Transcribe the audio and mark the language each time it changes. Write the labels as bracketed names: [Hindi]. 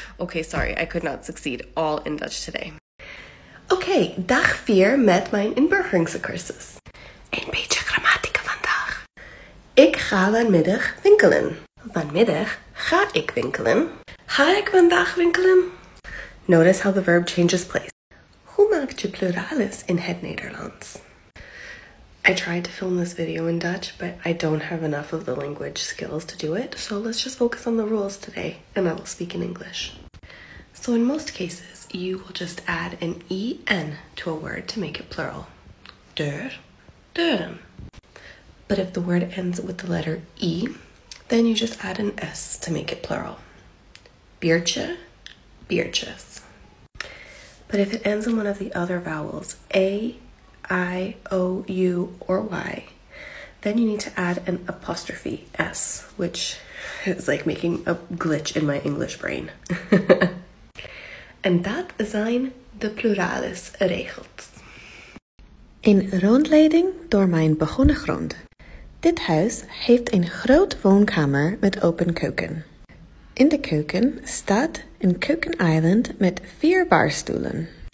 [English] Okay, sorry, I could not succeed all in Dutch today. [Dutch] Okay, dag 4 met mijn inburgeringscursus. Een beetje grammatica vandaag. Ik ga vanmiddag winkelen. Vanmiddag ga ik winkelen. Ga ik vandaag winkelen? [English] Notice how the verb changes place. [Dutch] Hoe maak je pluralis in het Nederlands? [English] I tried to film this video in Dutch, but I don't have enough of the language skills to do it. So let's just focus on the rules today, and I will speak in English. So in most cases, you will just add an en to a word to make it plural. Der, deren. But if the word ends with the letter e, then you just add an s to make it plural. [Dutch] Biertje, biertjes. [English] But if it ends in one of the other vowels, a, I, O, U, or Y, then you need to add an apostrophe S, which is like making a glitch in my English brain. And that [Dutch] zijn de pluralis regels. Een rondleiding door mijn begonnen grond. Dit huis heeft een groot woonkamer met open keuken. In de keuken staat een keuken island met vier barstoelen.